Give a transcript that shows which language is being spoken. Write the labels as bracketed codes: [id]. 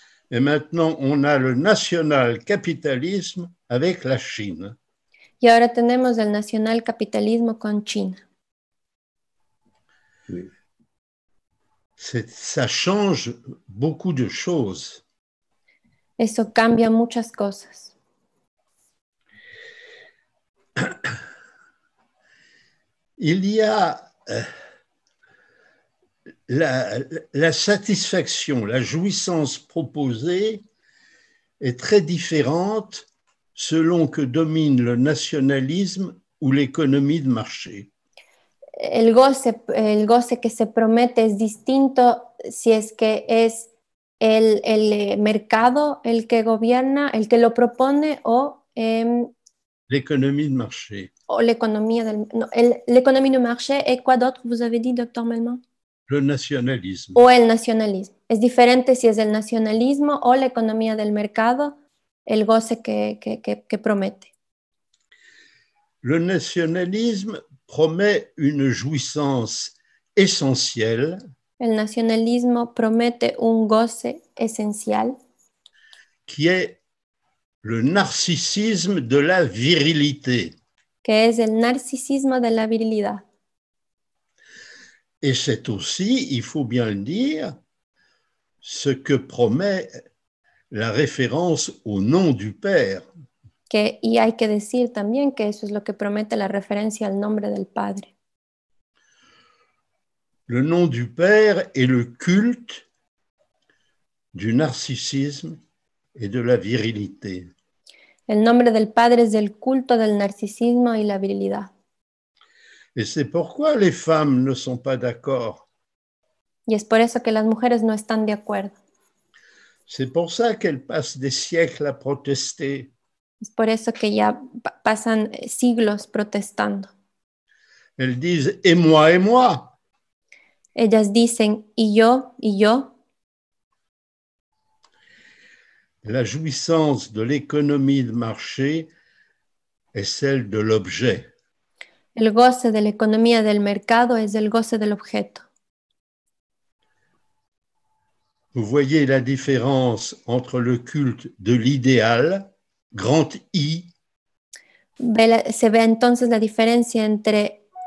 [fr] Et maintenant, on a le national-capitalisme avec la Chine. [es] Y ahora tenemos el nacional capitalismo con China. Sí. [fr] Ça change beaucoup de choses. [es] Eso cambia muchas cosas. [fr] Il y a la satisfaction, la jouissance proposée est très différente selon que domine le nationalisme ou l'économie de marché. [es] El goce que se promete es distinto si es que es el mercado el que gobierna, el que lo propone o [fr] l'économie de marché. O l'économie del no, l'économie de marché et quoi d'autre vous avez dit docteur Melman? Le nationalisme. [es] O el nacionalismo. Es diferente si es el nacionalismo o la economía del mercado. El goce que promete. [fr] Le nationalisme promet une jouissance essentielle. [es] El nacionalismo promete un goce esencial. [fr] Qui est le narcissisme de la virilité. [es] Que es el narcisismo de la virilidad. [fr] Et c'est aussi, il faut bien le dire, ce que promet la référence au nom du Père. [es] Que, y hay que decir también que eso es lo que promete la referencia al nombre del Padre. [fr] Le nom du Père est le culte du narcissisme et de la virilité. [es] El nombre del Padre es el culto del narcisismo y la virilidad. [fr] Et c'est pourquoi les femmes ne sont pas d'accord. [es] Y es por eso que las mujeres no están de acuerdo. [fr] C'est pour ça qu'elles passent des siècles à protester. [es] Es por eso que ya pasan siglos protestando. [fr] Elles disent « et moi, et moi ». [es] Ellas dicen « y yo, y yo ». [fr] La jouissance de l'économie de marché est celle de l'objet. [es] El goce de la economía del mercado es el goce del objeto. [fr] Vous voyez la différence entre le culte de l'idéal. grand I. [es] Se ve entonces la diferencia entre